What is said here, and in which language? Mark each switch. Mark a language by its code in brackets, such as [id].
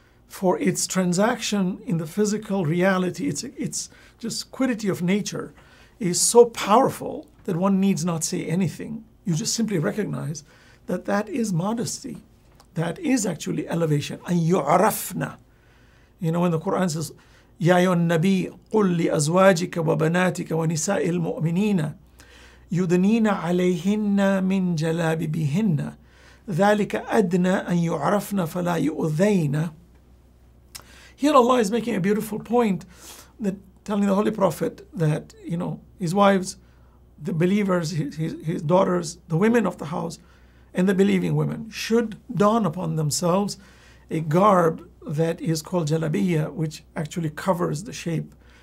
[en] For its transaction in the physical reality, its just quiddity of nature is so powerful that one needs not say anything. You just simply recognize that that is modesty. That is actually elevation. [ar] أَيُّعْرَفْنَا. [en] You know, when the Quran says, [ar] يَا يَا النَّبِي قُلْ لِأَزْوَاجِكَ وَبَنَاتِكَ وَنِسَاءِ الْمُؤْمِنِينَ يُدْنِينَ عَلَيْهِنَّ مِنْ جَلَابِبِهِنَّ ذَلِكَ أَدْنَى أَنْ يُعْرَفْنَ فَلَا يُؤْذَيْنَ. [en] Here Allah is making a beautiful point, that telling the Holy Prophet that, you know, his wives, the believers, his daughters, the women of the house, and the believing women should don upon themselves a garb that is called jalabiyya, which actually covers the shape